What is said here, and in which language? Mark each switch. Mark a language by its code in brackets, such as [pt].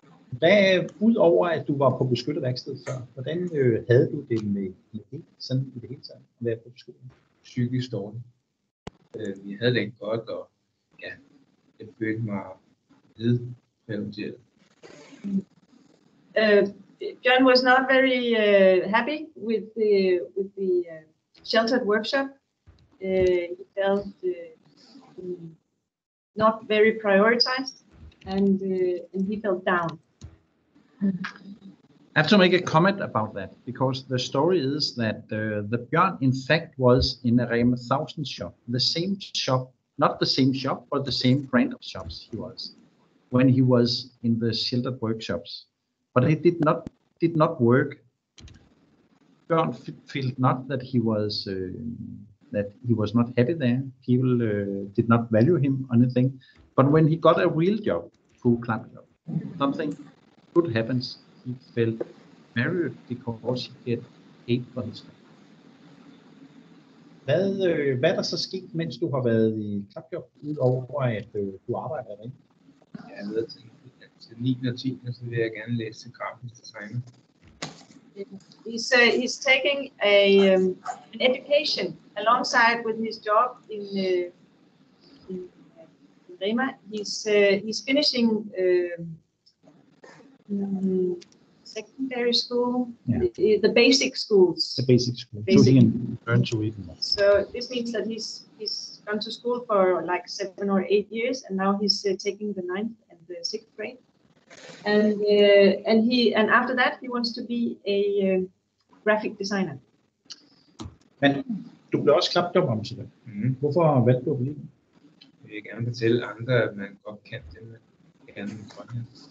[da] Hvad, ud over at du var på beskyttet værksted før, hvordan havde du det med det, sådan i det hele taget, at være på beskyttet? Psykisk dårlig. Vi havde det godt, og ja, jeg følte mig nedprioriteret. [en] John was not very happy with the sheltered workshop. He felt not very prioritized, and he felt down. I have to make a comment about that, because the story is that the Bjørn in fact was in a Rema 1000 shop, the same shop, not the same shop, but the same brand of shops he was when he was in the sheltered workshops. But he did not work. Bjørn felt not that he was not happy there. People did not value him or anything. But when he got a real job, full KLAPjob, something good happens. He felt married because he get paid for his job. [da] Hvad der så sket, mens du har været i KLAPjob, udover at du arbejder der? Ja, jeg ved at tænke, at til 9 og 10, så vil jeg gerne læse grafisk design. [en] He's taking a an education alongside with his job in Rema. He's finishing secondary school, yeah. The basic schools. The basic school. Basic. So he can learn to read. So this means that he's gone to school for like 7 or 8 years, and now he's taking the 9th and the 6th grade. And after that he wants to be a graphic designer. [da] Men du blev også KLAPjob ambassadør. Hvorfor valgte du at blive? Jeg vil gerne fortælle andre, at man godt kan det, man kan i Grønland.